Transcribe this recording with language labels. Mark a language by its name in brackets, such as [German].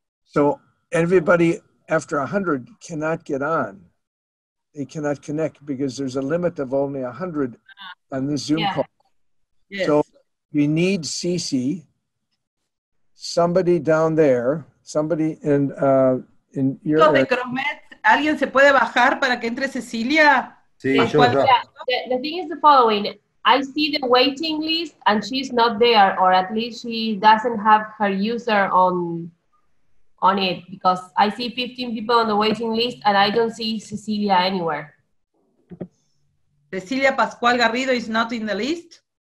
[English] So everybody after 100 cannot get on. They cannot connect because there's a limit of only 100 on this Zoom call. Yes. So we need Cece, somebody down there, somebody in your area. [Spanish] ¿Alguien se puede bajar para que entre Cecilia? Sí, yo. [English] The thing is the following. I see the waiting list and she's not there, or at least she doesn't have her user on it, because I see 15 people on the waiting list and I don't see Cecilia anywhere. Cecilia Pascual Garrido is not in the list?